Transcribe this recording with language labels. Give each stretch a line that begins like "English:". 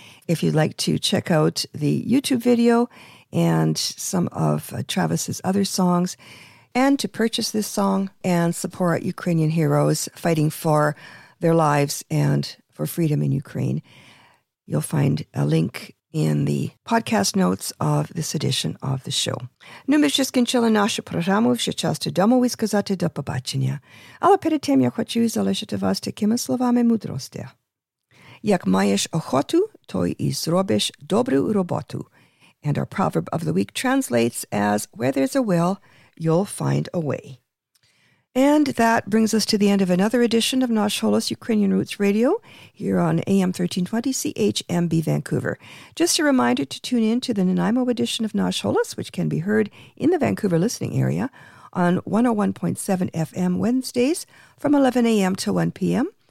English: If you'd like to check out the YouTube video and some of Travis's other songs, and to purchase this song and support Ukrainian heroes fighting for their lives and for freedom in Ukraine, you'll find a link in the podcast notes of this edition of the show.
Ukrainian: Ну, ми ж скінчили нашу програму, вже час додому і сказати до побачення. Але перед тим я хочу залишити вас такими словами мудрості. Як маєш охоту, то і зробиш добру роботу.
English: And our proverb of the week translates as, where there's a will, you'll find a way. And that brings us to the end of another edition of Nosh Holos Ukrainian Roots Radio here on AM 1320 CHMB Vancouver. Just a reminder to tune in to the Nanaimo edition of Nosh Holos, which can be heard in the Vancouver listening area on 101.7 FM Wednesdays from 11 a.m. to 1 p.m.